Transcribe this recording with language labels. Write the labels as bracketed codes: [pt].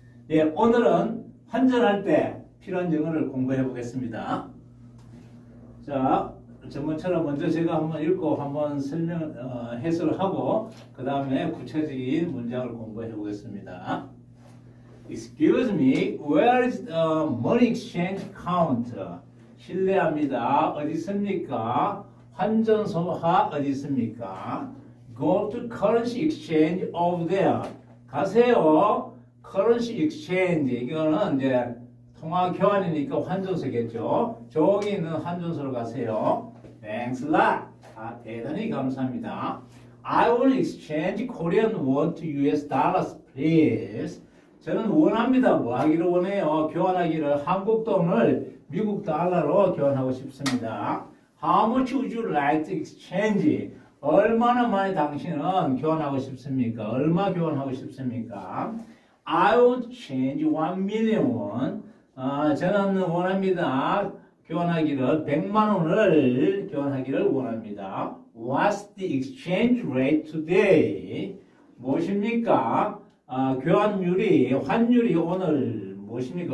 [ko] 예, 오늘은 환전할 때 필요한 영어를 공부해 보겠습니다. 자, 전문처럼 먼저 제가 한번 읽고 한번 설명, 해설을 하고, 그 다음에 구체적인 문장을 공부해 보겠습니다. [en] Excuse me, where is the money exchange counter? [ko] 실례합니다. 어디 있습니까? 환전소가 어디 있습니까? [en] Go to currency exchange over there. [ko] 가세요. [en] currency exchange. [ko] 이거는 이제 통화 교환이니까 환전소겠죠. 저기 있는 환전소로 가세요. [en] Thanks a lot. [ko] 아, 대단히 감사합니다. [en] I will exchange Korean won to US dollars, please. [ko] 저는 원합니다. 뭐 하기를 원해요? 교환하기를. 한국 돈을 미국 달러로 교환하고 싶습니다. [en] How much would you like to exchange? [ko] 얼마나 많이 당신은 교환하고 싶습니까? 얼마 교환하고 싶습니까? [en] I would change 1 million won. [ko] 저는 원합니다. 교환하기를, 100만 원을 교환하기를 원합니다. [en] What's the exchange rate today? [ko] 무엇입니까? 교환율이, 환율이 오늘 무엇입니까?